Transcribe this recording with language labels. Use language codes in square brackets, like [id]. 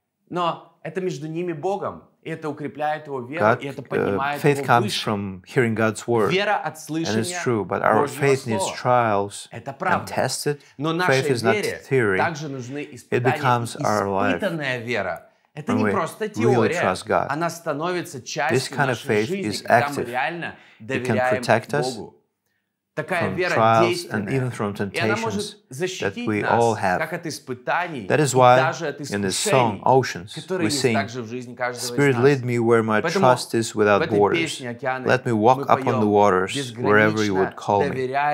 [ru] Но это между ними Богом, и это укрепляет его веру, [en] God, [ru] и это поднимает его выше. [en] Faith comes from hearing God's word. [ru] Вера от слышания. [en] And it's true, but our faith needs trials and tested. [ru] Но [en] faith is not theory. [ru] Также нужны испытания. [en] It becomes our life. [ru] Испытанная вера. Это не просто теория. Она становится частью нашей жизни, когда мы реально доверяем Богу. [en] This kind of faith is active. It can protect us. From trials and even from temptations that we all have. That is why in this song, Oceans, we sing, Spirit, lead me where my trust is without borders. Let me walk up on the waters wherever you would call me.